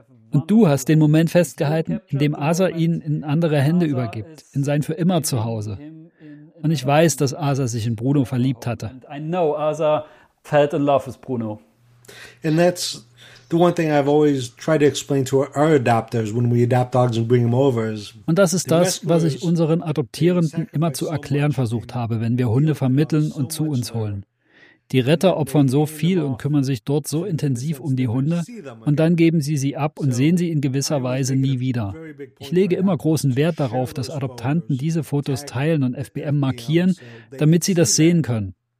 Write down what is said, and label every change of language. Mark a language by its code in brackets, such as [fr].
[de] Und du hast den Moment festgehalten, in dem Asa ihn in andere Hände übergibt, in sein für immer Zuhause. Und ich weiß, dass Asa sich in Bruno verliebt hatte. [en] I know Asa fell in love with Bruno. And that's the one thing I've always tried to explain to our adopters when we adopt dogs and bring them over is. [de] Und das ist das, was ich unseren Adoptierenden immer zu erklären versucht habe, wenn wir Hunde vermitteln und zu uns holen. Die Retter opfern so viel und kümmern sich dort so intensiv um die Hunde und dann geben sie sie ab und sehen sie in gewisser Weise nie wieder. Ich lege immer großen Wert darauf, dass Adoptanten diese Fotos teilen und FBM markieren, damit sie das sehen können.